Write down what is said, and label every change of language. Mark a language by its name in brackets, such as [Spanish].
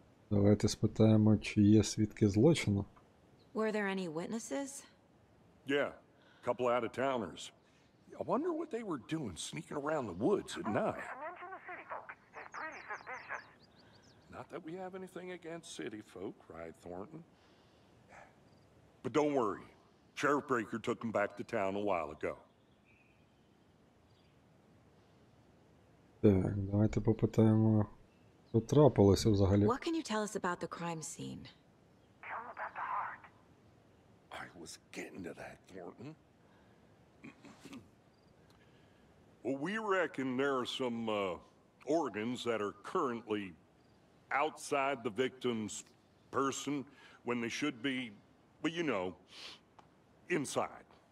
[Ukrainian] Давайте спитаємо, чи є свідки злочину. [English] Were there any witnesses? Yeah, a couple out of towners. I wonder what they were doing sneaking around the woods at night. Mention the city folk. It's pretty suspicious. Not that we have anything against city folk, right, Thornton? But don't worry. Sheriff Breaker took them back to town a while ago. [Ukrainian] Так, давайте попитаємо, що трапилося взагалі. [English] What can you tell us about the crime scene? Tell me about the heart. I was getting to that, Thornton. Well, we reckon there are some organs that are currently outside the victim's person when they should be, well, you know, inside.